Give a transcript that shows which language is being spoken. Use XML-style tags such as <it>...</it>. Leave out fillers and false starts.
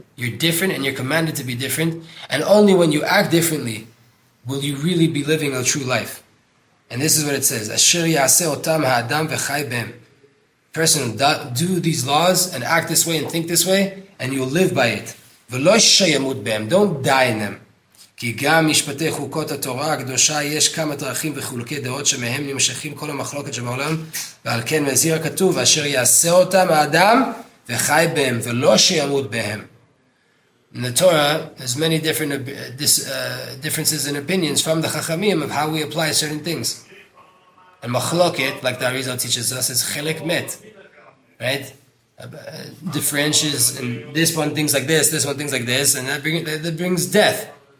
<en>You're different and you're commanded to be different. And only when you act differently will you really be living a true life. And this is what it says.</en> <he>Asher yaseh otam ha'adam v'chai bem.</he> <en>Person, do these laws and act this way and think this way and you'll live by it.</en> <he>V'lo shayamut bem.</he> <en>Don't die in them.</en> <he>כי גם משפטי חוקות התורה הקדושה יש כמה דרכים וחולקי דעות שמהם נמשכים כל המחלוקת שבעולם ועל כן מזהיר הכתוב אשר יעשה אותם האדם וחי בהם ולא שימות בהם.</he> <en>In the Torah, there's many different differences in opinions from the Chachamim of how we apply certain things. And מחלוקת, like the Arizal teaches us, is חלק מת. Right? Differentiates, and this one thinks like this, this one thinks like this, and that brings death.</en>